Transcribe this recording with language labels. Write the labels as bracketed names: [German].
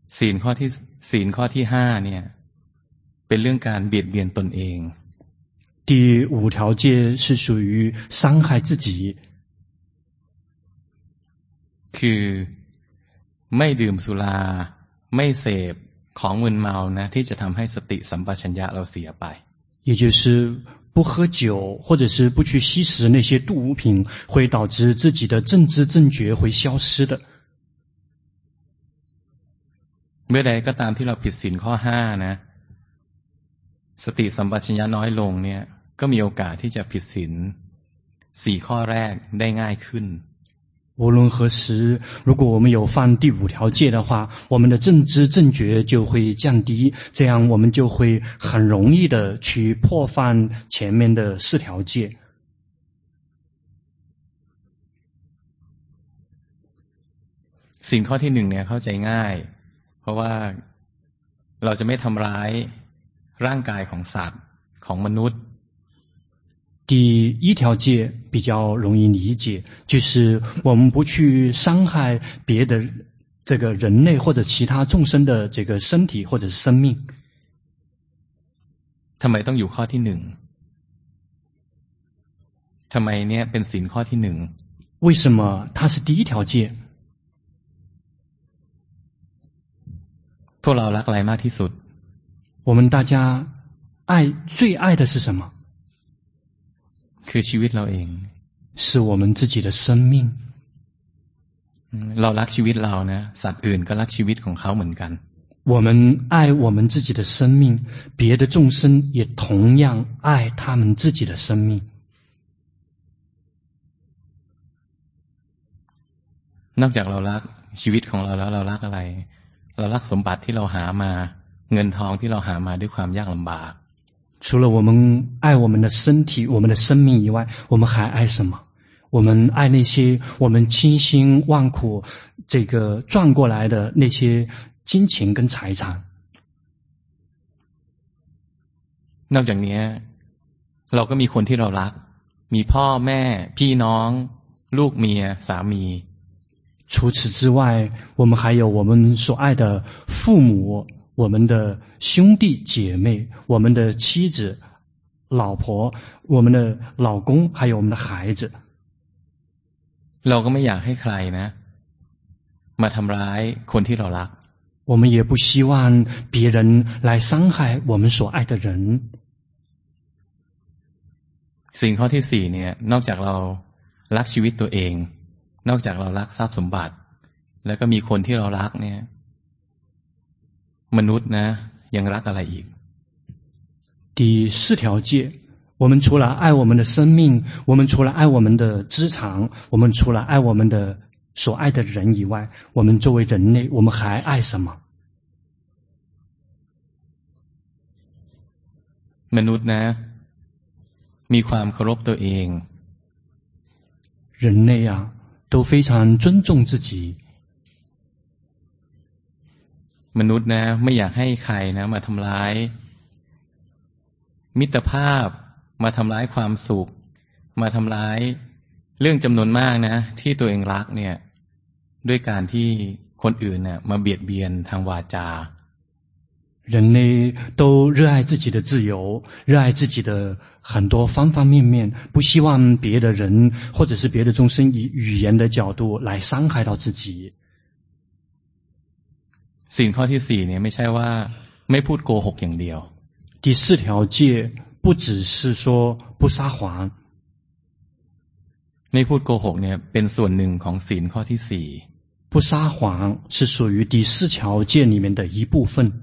[Thai] ศีลข้อที่ 5เนี่ยเป็นเรื่องการเบียดเบียนตนเอง [Chinese] 第五条戒是属于伤害自己 [Thai] คือไม่ดื่มสุราไม่เสพของมึนเมานะที่จะทำให้สติสัมปชัญญะเราเสียไป [Chinese] 也就是不喝酒或者是不去吸食那些毒品会导致自己的正知正觉会消失的 [Thai] เมื่อใดก็ตามที่เราผิดศีลข้อ5นะสติสัมปชัญญะน้อยลงเนี่ยก็มีโอกาสที่จะผิดศีล4ข้อแรกได้ง่ายขึ้น [Chinese] 无论何时如果我们有犯第五条戒的话我们的正知正觉就会降低这样我们就会很容易的去破犯前面的四条戒 [Thai] สิ่งข้อที่หนึ่งเนี่ยเข้าใจง่ายเพราะว่าเราจะไม่ทำร้ายร่างกายของสัตว์ของมนุษย์ [Chinese] 第一条戒比较容易理解就是我们不去伤害别的这个人类或者其他众生的这个身体或者生命 [Thai] ทำไมต้องอยู่ข้อที่หนึ่งทำไมเนี่ยเป็นศีลข้อที่หนึ่ง [Chinese] 为什么它是第一条戒 [Thai] พวกเรารักอะไรมากที่สุด [Chinese] 我们大家爱最爱的是什么 [Thai] คือชีวิตเราเอง [Chinese] 是我们自己的生命 [Thai] เรารักชีวิตเรานะสัตว์อื่นก็รักชีวิตของเขาเหมือนกัน [Chinese] 我们爱我们自己的生命别的众生也同样爱他们自己的生命 [Thai] นอกจากเรารักชีวิตของเราแล้วเรารักอะไรเรารักสมบัติที่เราหามาเงินทองที่เราหามาด้วยความยากลำบาก [Chinese] 除了我们爱我们的身体我们的生命以外我们还爱什么我们爱那些我们千辛万苦这个赚过来的那些金钱跟财产 [Thai] นอกจากนี้เราก็มีคนที่เรารักมีพ่อแม่พี่น้องลูกเมียสามี [Chinese] 除此之外我们还有我们所爱的父母我们的兄弟姐妹我们的妻子老婆我们的老公还有我们的孩子 [Thai] เราก็ไม่อยากให้ใครนะมาทำร้ายคนที่เรารัก [Chinese] 我们也不希望别人来伤害我们所爱的人 [Thai] สิ่งข้อที่4เนี่ยนอกจากเรารักชีวิตตัวเองนอกจากเรารักทรัพย์สมบัติแล้วก็มีคนที่เรารักเนี่ยมนุษย์นะยังรักอะไรอีก [Chinese] 第四条戒我们除了爱我们的生命我们除了爱我们的资产我们除了爱我们的所爱的人以外我们作为人类我们还爱什么 [Thai] มนุษย์นะมีความเคารพตัวเอง [Chinese] 人类啊都非常尊重自己 [Thai] มนุษย์นะไม่อยากให้ใครนะมาทำร้ายมิตรภาพมาทำร้ายความสุขมาทำร้ายเรื่องจำนวนมากนะที่ตัวเองรักเนี่ยด้วยการที่คนอื่นเนี่ยมาเบียดเบียนทางวาจา [Chinese] 人类都热爱自己的自由热爱自己的很多方方面面不希望别的人或者是别的众生以语言的角度来伤害到自己 [Thai] สิ่งข้อที่สี่เนี่ยไม่ใช่ว่าไม่พูดโกหกอย่างเดียว [Chinese] 第四条戒不只是说不撒谎 [Thai] ไม่พูดโกหกเนี่ยเป็นส่วนหนึ่งของสิ่งข้อที่สี่ [Chinese] 不撒谎是属于第四条戒里面的一部分